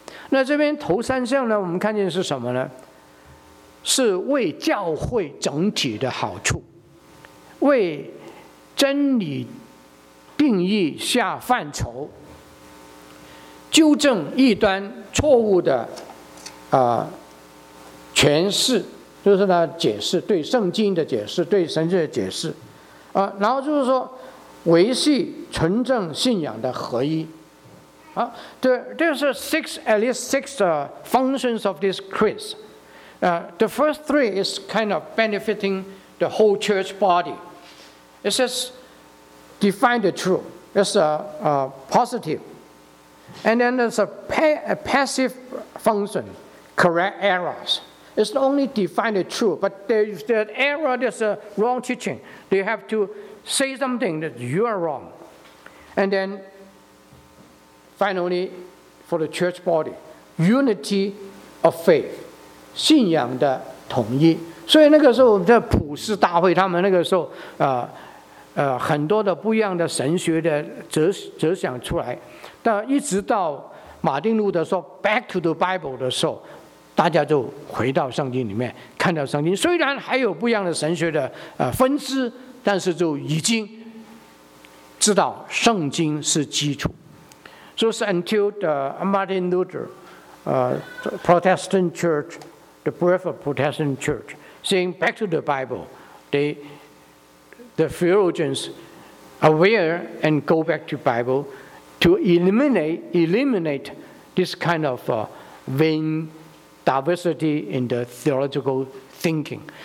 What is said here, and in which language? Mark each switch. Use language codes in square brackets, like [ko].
[zh] 那这边头三项呢，我们看见是什么呢？是为教会整体的好处，为真理定义下范畴，纠正异端错误的诠释，就是呢解释对圣经的解释，对神学的解释，然后就是说维系纯正信仰的合一。 [en] There's at least six functions of this creed. The first three is kind of benefiting the whole church body. It says, define the truth. It's a positive. And then there's a passive function, correct errors. It's not only define the truth, but there's the error, there's a wrong teaching. They have to say something that you are wrong. And then finally, for the church body, unity of faith. [zh] 信仰的统一，所以那个时候在普世大会，他们那个时候很多的不一样的神学的哲想出来，但一直到马丁路德说 [en] "Back to the Bible" [zh] 的时候，大家就回到圣经里面看到圣经。虽然还有不一样的神学的分支，但是就已经知道圣经是基础。 [en] So it's until the Martin Luther, Protestant Church. The birth of Protestant Church, saying back to the Bible, the theologians aware and go back to Bible to eliminate this kind of vain diversity in the theological thinking.